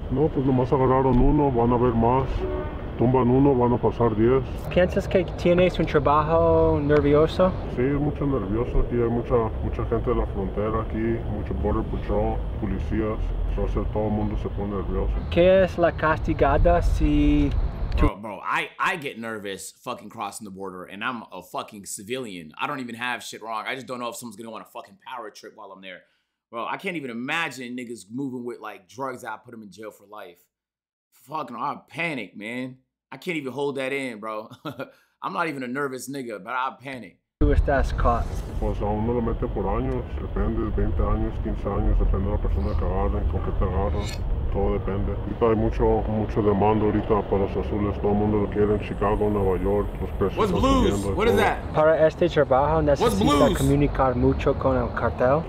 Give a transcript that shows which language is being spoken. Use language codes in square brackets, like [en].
[es] No, pues nomás agarraron uno, van a ver más. Tumban uno, van a pasar 10. ¿Piensas que tienes un trabajo nervioso? Sí, mucho nervioso. Aquí hay mucha gente de la frontera aquí, mucho Border Patrol, policías. Entonces todo el mundo se pone nervioso. ¿Qué es la castigada si... [en] Bro, I get nervous fucking crossing the border, and I'm a fucking civilian. I don't even have shit wrong. I just don't know if someone's gonna want a fucking power trip while I'm there. Bro, I can't even imagine niggas moving with, like, drugs that I put them in jail for life. Fucking, I panic, man. I can't even hold that in, bro. I'm not even a nervous nigga, but I panic. Who is that caught? [es] Pues a uno lo mete por años. Depende, 20 años, 15 años. Depende de la persona que agarren, con qué te agarran. Todo depende. Ahorita hay mucho demanda ahorita para los azules. Todo el mundo lo quiere en Chicago, Nueva York. Los precios. [en] What's blues? What is that? [es] Para este trabajo necesita comunicar mucho con el cartel.